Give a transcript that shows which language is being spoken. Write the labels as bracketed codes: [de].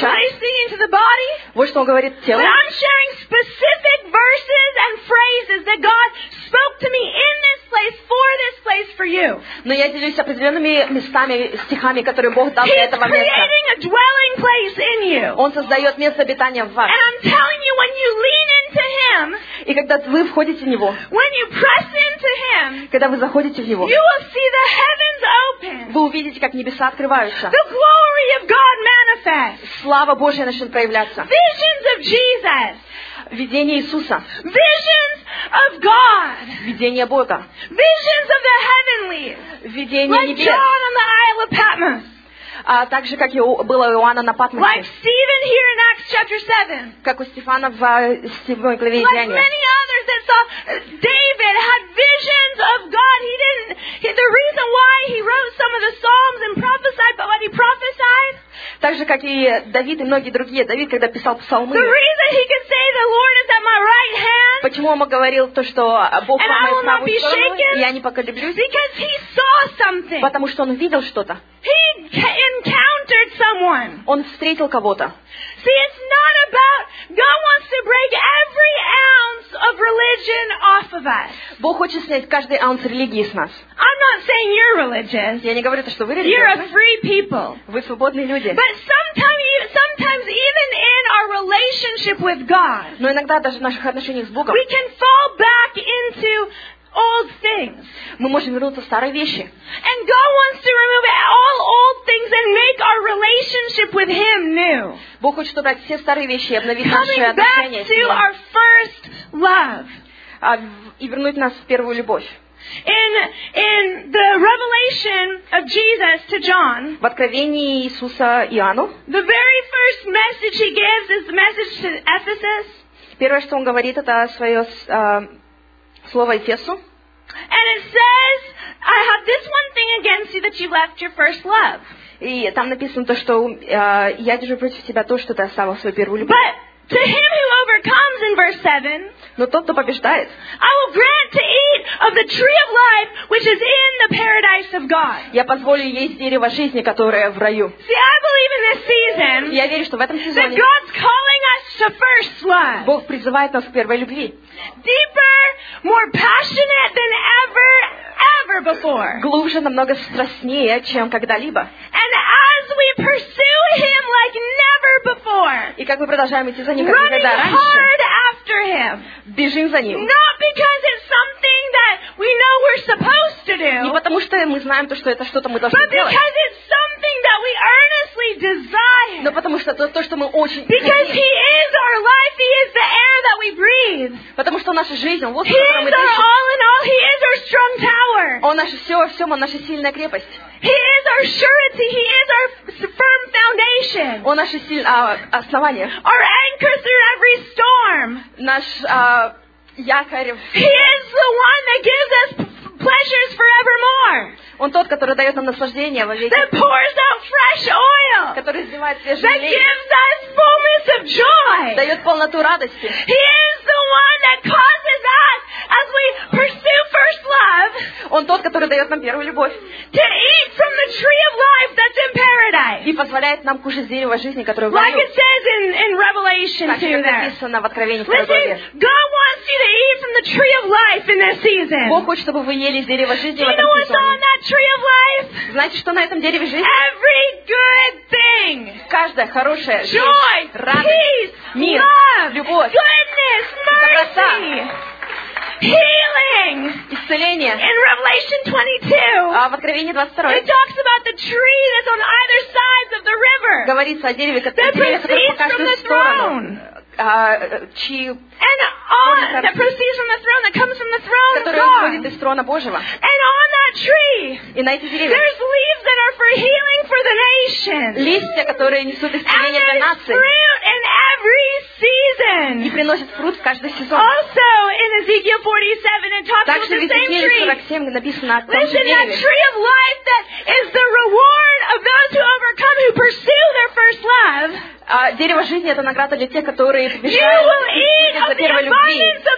[en] This is what He's speaking to the body. [ru] Вот что Он говорит телу. [en] But I'm sharing specific verses and phrases that God spoke to me in this place for this place for you. [ru] Но я делюсь определенными местами, стихами, которые Бог дал для этого места. [en] He's creating a dwelling place in you. [ru] Он создает место обитания в вас. [en] And I'm telling you, when you lean into Him, [ru] и когда вы входите в Него, [en] when you press into Him, [ru] когда вы заходите в Него, [en] you will see the heavens open. [ru] Вы увидите, как небеса открываются. [en] The glory of God manifests. [ru] Слава Божья начнет проявляться. [en] Visions of Jesus. [ru] Видение Иисуса. [en] Visions of God. [ru] Видение Бога. [en] Visions of the heavenly. [ru] Видение [en] like [ru] небес. [en] John on the Isle of Patmos. [ru] А также, как было у Иоанна на Патмосе. [en] Like Stephen here in Acts chapter 7. [ru] Как у Стефана в 7 главе Деяния. [en] Like many others that saw David had visions of God. He didn't... The reason why he wrote some of the Psalms and prophesied, but when he prophesied... [ru] Так же, как и Давид и многие другие. Давид, когда писал псалмы... [en] The reason he could say the Lord is at my right hand... [ru] Почему он говорил то, что Бог по моей правой стороне, и я не поколеблюсь? [en] Because he saw something. [ru] Потому что он видел что-то. [en] He encountered someone. [ru] Он встретил кого-то. [en] See, it's not about God wants to break every ounce of religion off of us. [ru] Бог хочет снять каждый аунс религии с нас. [en] I'm not saying you're religious. [ru] Я не говорю то, что вы религиозны. [en] You're a free people. [ru] Вы свободные люди. [en] But sometimes even in our relationship with God, [ru] но иногда даже в наших отношениях с Богом, [en] we can fall back into old things. [ru] Мы можем вернуться в старые вещи. [en] And God wants to remove all old things and make our relationship with Him new. [ru] Бог хочет убрать все старые вещи и обновить [en] Coming [ru] наши отношения с Ним. [en] Coming back to our first love. [ru] И вернуть нас в первую любовь. [en] In the revelation of Jesus to John, [ru] в откровении Иисуса Иоанну, [en] the very first message He gives is the message to Ephesus. [ru] Первое, что Он говорит, это свое слово Эфесу. [en] And it says, I have this one thing against you that you left your first love. [ru] И там написано то, что я держу против тебя то, что ты оставил свою первую любовь. [en] But to him who overcomes in verse 7, [ru] но тот, кто побеждает, [en] I will grant to eat of the tree of life which is in the paradise of God. [ru] Я позволю есть дерево жизни, которое в раю. [en] See, I believe in this season. [ru] Я верю, что в этом сезоне. [en] That God's calling us to first love. [ru] Бог призывает нас к первой любви. [en] Deeper, more passionate than ever, ever before. [ru] Глубже, намного страстнее, чем когда-либо. [en] And as we pursue Him like never before. [ru] И как мы продолжаем идти за Ним, как никогда раньше. [en] Running hard after Him. [ru] Бежим за Ним. [en] Not because it's something that we know we're supposed to do. [ru] Не потому что мы знаем то, что это что-то мы должны делать. [en] But because it's something that we earnestly desire. [ru] Но потому что то, что мы очень хотим. [en] Because He is our life, He is the air that we breathe. [ru] Потому что наша жизнь, воздух, который мы дышим. [en] He is our all in all, He is our strong tower. [ru] Он наше все во всем, Он наша сильная крепость. [en] He is our surety, He is our firm foundation. [ru] Он наше основание. [en] Our anchor through every storm. [ru] Наш якорь. [en] He is the one that gives us pleasures forevermore. [ru] Он тот, который дает нам наслаждение во веки. [en] That pours out fresh oil. [ru] Который изливает свежий лей. [en] That gives us fullness of joy. [ru] Дает полноту радости. [en] He is the one that causes us, as we pursue first love. [ru] Он тот, который дает нам первую любовь. [en] To eat from the tree of life that's in paradise. [ru] И позволяет нам кушать дерево жизни, которое в раю. [en] Like it says in Revelation 2 there. [ru] Так, как написано в Откровении 2. [en] Listen, God wants you to eat from the tree of life in this season. [ru] Бог хочет, чтобы вы ели дерево жизни в этом сезоне. [en] That tree of life. [ru] Знаете, что на этом дереве жизни? [en] Every good thing. [ru] Каждая хорошая жизнь. [en] Joy, [ru] радость, [en] peace, [ru] мир, [en] love, [ru] любовь, [en] goodness, mercy, healing. [ru] Исцеление. [en] In Revelation 22. [ru] В Откровении 22. [en] It talks about the tree that's on either sides of the river. [ru] Говорится о дереве, которое по каждую сторону. [en] And on that proceeds from the throne, that comes from the throne of God. [ru] Который исходит из трона Божьего. [en] And on that tree. [ru] И на этих деревьях. [en] There's leaves that are for healing for the nations. [ru] Листья, которые несут исцеление для наций. [en] And there's fruit in every season. [ru] И приносят фрукт в каждый сезон. [en] Also in Ezekiel 47, it talks about the same tree. [ru] Также в Иезекииле 47 написано о том же дереве. [en] Listen, that tree of life that is the reward of those who overcome, who pursue their first love. [ru] Дерево жизни — это награда для тех, которые побеждают за первой любви.